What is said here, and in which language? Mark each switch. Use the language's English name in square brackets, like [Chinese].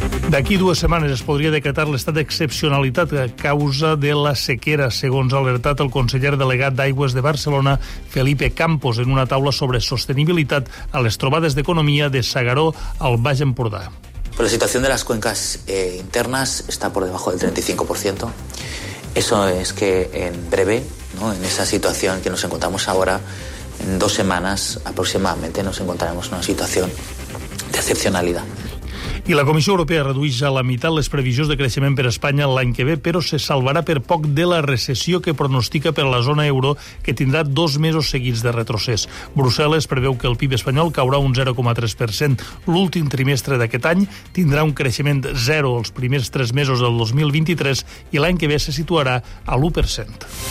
[Catalan] D'aquí dues setmanes es podria decretar l'estat d'excepcionalitat a causa de la sequera, segons ha alertat el conseller delegat d'Aigües de Barcelona, Felipe Campos, en una taula sobre sostenibilitat a les trobades d'economia de S'Agaró al Baix Empordà. La situació de les cuencas internes està per [Spanish] debajo del [Catalan] 35%. [Spanish] Eso es que en breve, ¿no?, en esa situación que nos encontramos ahora, en dos semanas aproximadamente nos encontraremos en una situación de excepcionalidad. [Catalan] I la Comissió Europea redueix a la meitat les previsions de creixement per Espanya l'any que ve, però se salvarà per poc de la recessió que pronostica per la zona euro, que tindrà dos mesos seguits de retrocés. Brussel·les preveu que el PIB espanyol caurà un 0,3% l'últim trimestre d'aquest any, tindrà un creixement zero els primers tres mesos del 2023 i l'any que ve se situarà a l'1%.